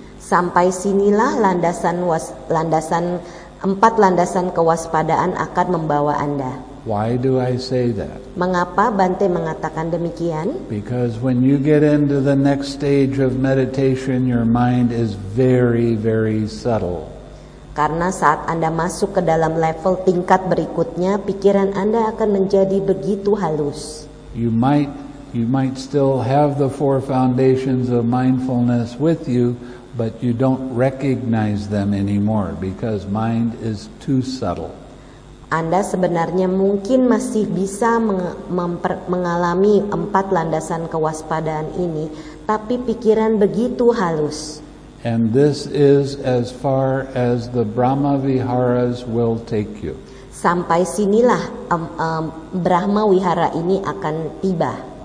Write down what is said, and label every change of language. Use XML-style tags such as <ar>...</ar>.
<id>Sampai sinilah landasan empat landasan kewaspadaan akan membawa Anda.</id> <en>Why do I say that?</en> <id>Mengapa Bante mengatakan demikian?</id> <en>Because when you get into the next stage of meditation, your mind is very, very subtle.</en> <id>Karena saat Anda masuk ke dalam level tingkat berikutnya, pikiran Anda akan menjadi begitu halus.</id> <en>You might still have the four foundations of mindfulness with you, but you don't recognize them anymore because mind is too subtle.</en> <id>Anda sebenarnya mungkin masih bisa mengalami empat landasan kewaspadaan ini, tapi pikiran begitu halus.</id> <en>And this is as far as the Brahma Viharas will take you.</en> <id>Sampai sinilah Brahma Wihara ini akan tiba.</id>